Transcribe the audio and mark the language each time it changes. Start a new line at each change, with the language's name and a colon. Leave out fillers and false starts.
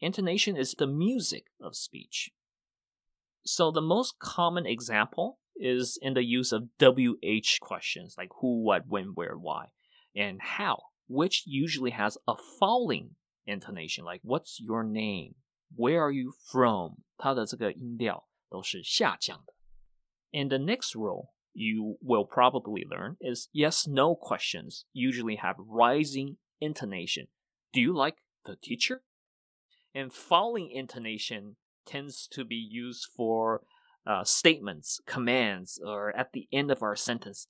English: Intonation is the music of speech. So the most common example is in the use of WH questions, like who, what, when, where, why, and how, which usually has a falling intonation, like what's your name? Where are you from?
Chinese: 它的这个音调都是下降的。
English: And the next rule you will probably learn is yes-no questions usually have rising intonation. Do you like the teacher? And falling intonation tends to be used for statements, commands, or at the end of our sentence.